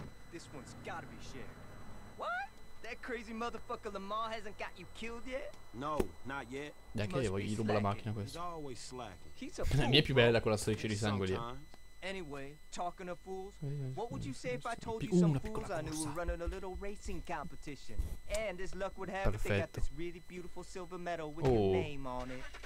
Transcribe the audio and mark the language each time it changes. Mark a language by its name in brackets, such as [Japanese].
[English] This one's gotta be shared. What? That crazy motherfucker Lamar hasn't got you killed yet? No, not yet. [Italian] Dai, che io gli rubo la macchina questa. La mia è più bella con la striscia di sangue lì. [English] Anyway, talking of fools, what would you say if I told you some fools I knew were running a little racing competition? And as luck would have it, they got this really beautiful silver medal with your name on it.